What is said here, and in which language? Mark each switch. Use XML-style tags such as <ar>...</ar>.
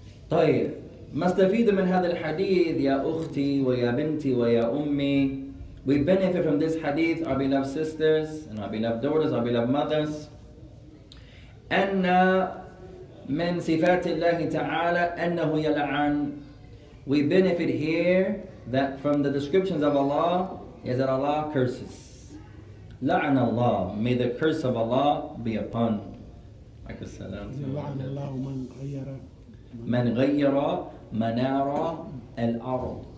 <ar>طيب, ما استفيد من هذا الحديث يا أختي ويا بنتي ويا أمي.</ar> <en>We benefit from this hadith, our beloved sisters and our beloved daughters, our beloved mothers.</en> <ar>أن من صفات الله تعالى أنه يلعن.</ar> <en>We benefit here that from the descriptions of Allah is that Allah curses.</en> <ar>لعن الله.</ar> <en>May the curse of Allah be upon. Like a salam.</en> <ar>لعن الله من غير. من غير منار الأرض.</ar>